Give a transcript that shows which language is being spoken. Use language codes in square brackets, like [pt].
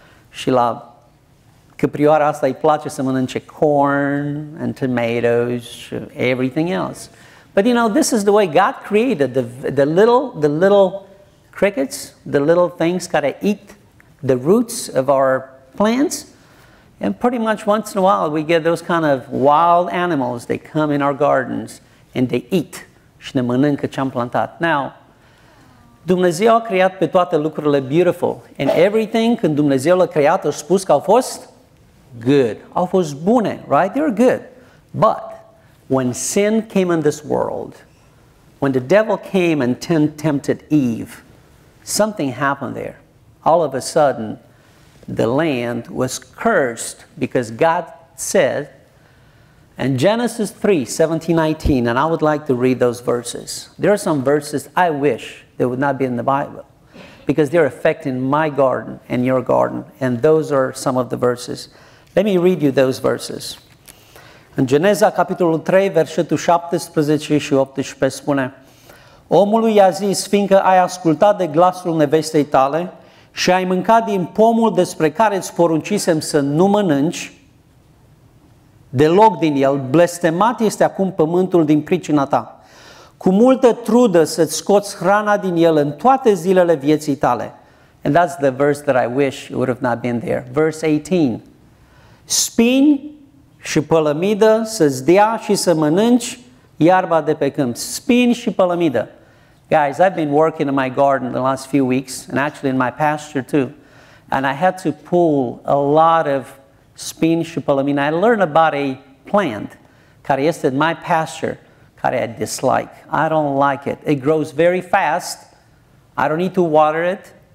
[ro] Și la căprioara asta îi place să mănânce [en] corn and tomatoes, everything else. But you know, this is the way God created the little crickets, the little things gotta eat the roots of our plants. And pretty much once in a while, we get those kind of wild animals. They come in our gardens and they eat. [ro] Și ne mănâncă ce-am plantat. Now, Dumnezeu a creat pe toate lucrurile beautiful. [en] And everything, [ro] când Dumnezeu l-a creat, a spus că au fost good. Au fost bune, [en] right? They were good. But when sin came in this world, when the devil came and tempted Eve, something happened there. All of a sudden, the land was cursed, because God said in Genesis 3:17-19, and I would like to read those verses. There are some verses I wish they would not be in the Bible, because they're affecting my garden and your garden. And those are some of the verses. Let me read you those verses. [ro] In Geneza capitolul 3, versetul 17 și 18 spune, omului i-a zis, fiindcă ai ascultat de glasul nevestei tale și ai mâncat din pomul despre care îți poruncisem să nu mănânci deloc din el, blestemat este acum pământul din pricina ta. Cu multă trudă să-ți scoți hrana din el în toate zilele vieții tale. [en] And that's the verse that I wish would have not been there. Verse 18. [ro] Spini și pălămidă să-ți dea și să mănânci iarba de pe câmp, spin și pălămidă. [en] Guys, I've been working in my garden the last few weeks, and actually in my pasture too, and I had to pull a lot of [ro] spin și pălămidă. [en] I learned about a plant [ro] care este [en] in my pasture, care I dislike. I don't like it. It grows very fast. I don't need to water it.